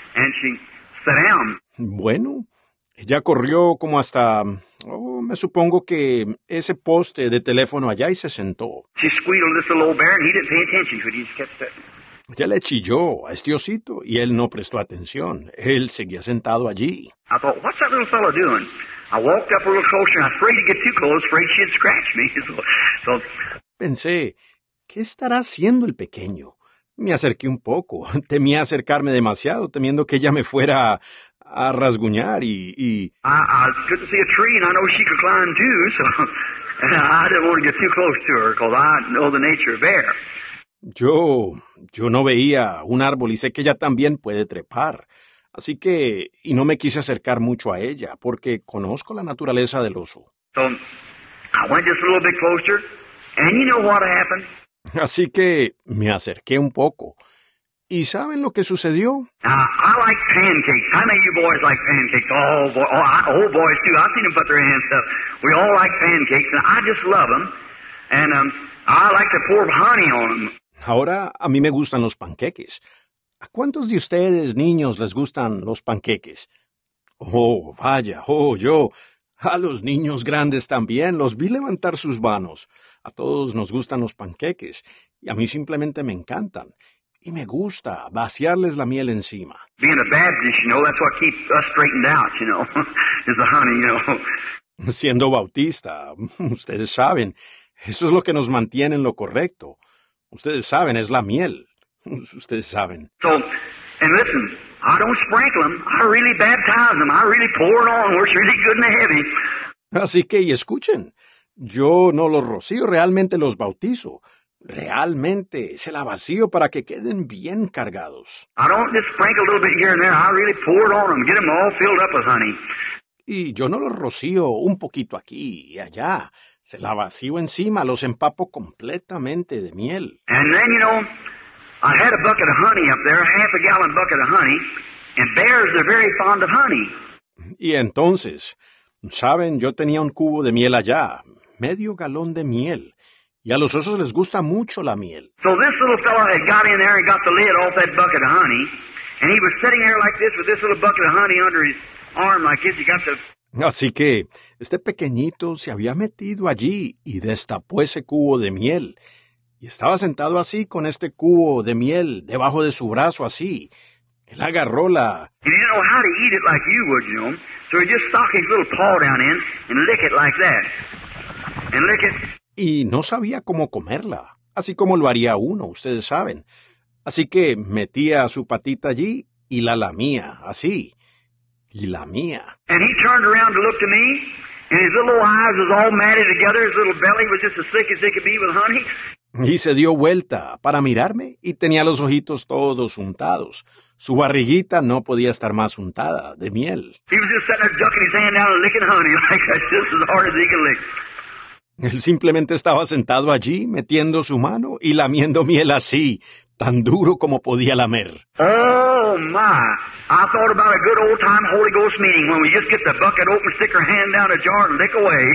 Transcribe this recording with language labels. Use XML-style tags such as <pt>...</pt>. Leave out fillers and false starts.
<en>And she sat down.</en> <es>Bueno. Ella corrió como hasta, oh, me supongo que ese poste de teléfono allá y se sentó.</es> <en>She squealed this little old bear and he didn't pay attention, but he just kept sitting.</en> <es>Ella le chilló a este osito y él no prestó atención. Él seguía sentado allí.</es> <en>I thought, what's that little fella doing? I walked up a little closer and I'm afraid to get too close, afraid she'd scratch me. So,</en> <es>pensé, ¿qué estará haciendo el pequeño? Me acerqué un poco. Temía acercarme demasiado, temiendo que ella me fuera a rasguñar y</es> <en>I couldn't see a tree and I know she could climb too, so I didn't want to get too close to her because I know the nature of bear.</en> <es>Yo no veía un árbol y sé que ella también puede trepar, así que y no me quise acercar mucho a ella porque conozco la naturaleza del oso.</es> <en>So I went just a little bit closer and you know what happened.</en> <es>Así que me acerqué un poco. ¿Y saben lo que sucedió?</es> <en>I like pancakes. How many of you boys like pancakes? Old boys too. I've seen them put their hands up. We all like pancakes, and I just love them. And I like to pour honey on them.</en> <es>Ahora, a mí me gustan los panqueques. ¿A cuántos de ustedes, niños, les gustan los panqueques? Oh, vaya, oh, yo. A los niños grandes también. Los vi levantar sus manos. A todos nos gustan los panqueques. Y a mí simplemente me encantan. Y me gusta vaciarles la miel encima.</es> <en>Being a Baptist, you know, that's what keeps us straightened out, you know, is the honey, you know.</en> <es>Siendo bautista, ustedes saben, eso es lo que nos mantiene en lo correcto. Ustedes saben, es la miel. Ustedes saben.</es> <en>So, and listen, I don't sprinkle them. I really baptize them. I really pour it on where it's really good and heavy.</en> <es>Así que, y escuchen, yo no los rocío, realmente los bautizo. Realmente se la vacío para que queden bien cargados.</es> <en>I don't just sprinkle a little bit here and there. I really pour it on them, get them all filled up with honey.</en> <es>Y yo no los rocío un poquito aquí y allá. Se la vacío encima, los empapo completamente de miel.</es> <en>And then, you know, I had a bucket of honey up there, a half a gallon bucket of honey, and bears are very fond of honey.</en> <es>Y entonces, saben, yo tenía un cubo de miel allá, medio galón de miel. Y a los osos les gusta mucho la miel.</es> <en>So this little fellow had got in there and got the lid off that bucket of honey. And he was sitting there like this with this little bucket of honey under his arm like this. He got the...</en> <es>Así que, este pequeñito se había metido allí y destapó ese cubo de miel. Y estaba sentado así con este cubo de miel debajo de su brazo así. Él agarró la...</es> <en>He didn't know how to eat it like you would, you know. So he just stuck his little paw down in and lick it like that. And lick it.</en> <es>Y no sabía cómo comerla, así como lo haría uno, ustedes saben. Así que metía su patita allí y la lamía, así. Y lamía.</es> <en>And he turned around to look to me, and his little eyes was all matted together, his little belly was just as thick as it could be with honey.</en> <es>Y se dio vuelta para mirarme y tenía los ojitos todos untados. Su barriguita no podía estar más untada de miel.</es> <en>He was just sitting there ducking his hand out and licking honey like that, just as hard as he could lick.</en> <es>Él simplemente estaba sentado allí, metiendo su mano y lamiendo miel así, tan duro como podía lamer.</es> <en>Oh, my. I thought about a good old-time Holy Ghost meeting when we just get the bucket open, stick our hand down a jar and lick away.</en>